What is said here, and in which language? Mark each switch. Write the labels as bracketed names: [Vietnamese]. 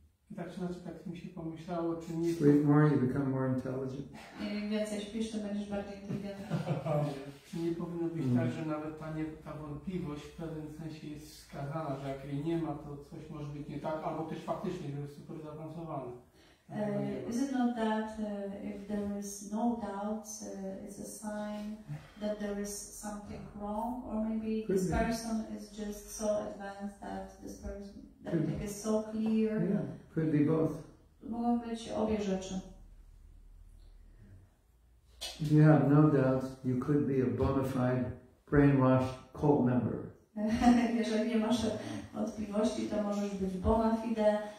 [Polish] I tak czy inaczej, tak mi się pomyślało, czy nie... [English] Sleep more, you become more intelligent. [Polish] Im więcej śpisz, to będziesz bardziej inteligentny. Czy nie powinno być tak, że nawet ta wątpliwość w pewnym sensie jest wskazana, że jak jej nie ma, to coś może być nie tak, albo też faktycznie, że jest super zaawansowany. [English] Is it not that if there is no doubt, it's a sign that there is something wrong, or maybe this person is just so advanced that this person that it is so clear? Yeah, could be both. [Polish] Mogą być obie rzeczy. [English] If you have no doubt, you could be a bona fide brainwashed cult member. [Polish] Jeżeli nie masz wątpliwości, to możesz być bona fide.